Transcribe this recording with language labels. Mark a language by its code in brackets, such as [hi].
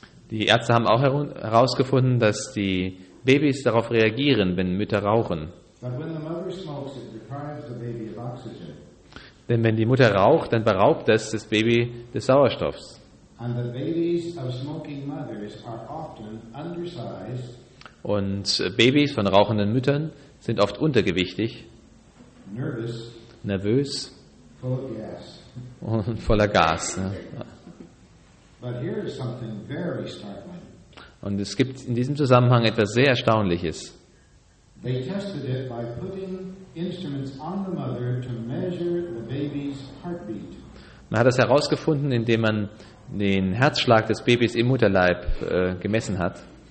[de] Die Ärzte haben auch herausgefunden, dass die Babys darauf reagieren, wenn Mütter rauchen. Denn wenn die Mutter raucht, dann beraubt das das Baby des Sauerstoffs. [en] And the babies of smoking mothers are often undersized. [de] Und Babys von rauchenden Müttern sind oft untergewichtig, nervös, [en] full of gas. [de] Und voller Gas. [en] But here is something very startling. [de] Und es gibt in diesem Zusammenhang etwas sehr Erstaunliches. [en] They tested it by putting instruments on the mother to measure the baby's heartbeat. [de] Man hat das herausgefunden, indem man den Herzschlag des Babys im Mutterleib gemessen hat.